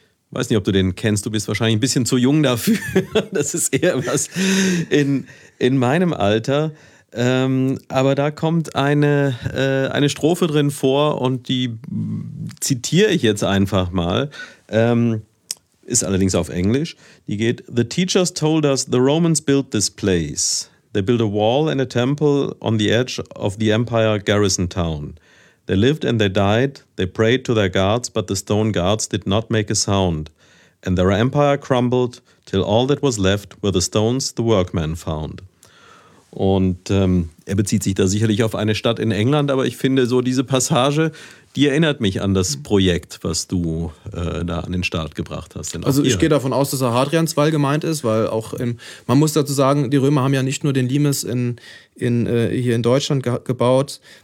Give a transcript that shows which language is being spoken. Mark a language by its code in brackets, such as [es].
[de] Weiß nicht, ob du den kennst, du bist wahrscheinlich ein bisschen zu jung dafür. Das ist eher was in meinem Alter. Aber da kommt eine Strophe drin vor und die zitiere ich jetzt einfach mal. Ist allerdings auf Englisch. Die geht: [en] The teachers told us the Romans built this place. They built a wall and a temple on the edge of the Empire garrison town. They lived and they died. They prayed to their gods, but the stone gods did not make a sound. And their empire crumbled till all that was left were the stones the workmen found. [de] Und er bezieht sich da sicherlich auf eine Stadt in England, aber ich finde so diese Passage, die erinnert mich an das Projekt, was du da an den Start gebracht hast. Also ich gehe davon aus, dass er Hadrianswall gemeint ist, weil auch man muss dazu sagen, die Römer haben ja nicht nur den Limes hier in Deutschland gebaut.